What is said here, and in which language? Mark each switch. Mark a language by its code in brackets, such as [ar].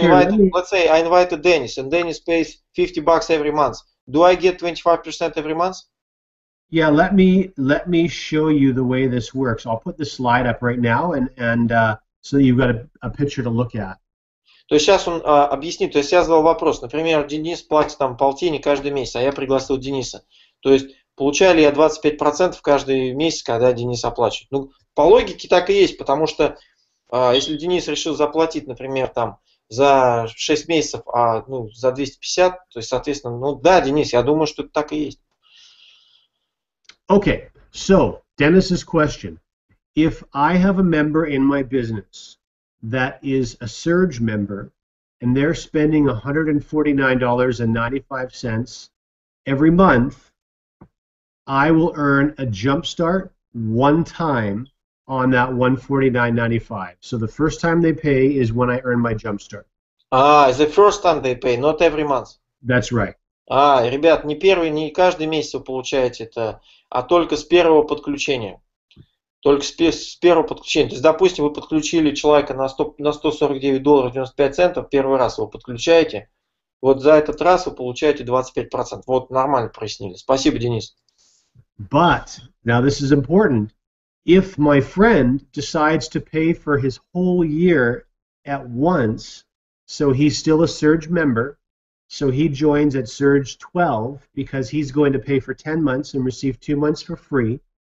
[en] I invited Dennis, and Dennis pays $50 every month. Do I get 25% every month? Yeah, let me show you the way this works. I'll put the slide up right now, and so that you've got a picture to look at. [ru] То есть сейчас он объяснит. То есть я задал вопрос. Например, Денис платит там полтинник каждый месяц, а я пригласил Дениса. То есть получаю ли я 25% каждый месяц, когда Денис оплачивает? Ну, по логике так и есть, потому что если Денис решил заплатить, например, там за 6 месяцев, а ну за 250, то есть соответственно, ну да, Денис, я думаю, что это так и есть. [en] Okay, so Dennis's question. If I have a member in my business that is a surge member and they're spending $149.95 every month, I will earn a jump start one time on that $149.95. So the first time they pay is when I earn my jump start. Ah, the first time they pay, not every month. That's right. [ru] Ребят, не первый, не каждый месяц вы получаете это, а только с первого подключения. Только с первого подключения. То есть, допустим, вы подключили человека на $149.95 первый раз, вы подключаете. Вот за этот раз вы получаете 25%. Вот нормально прояснили. Спасибо, Денис. [en] But, now this is important, if my friend decides to pay for his whole year at once, so he's still a surge member, so he joins at surge 12 because he's going to pay for 10 months and receive 2 months for free.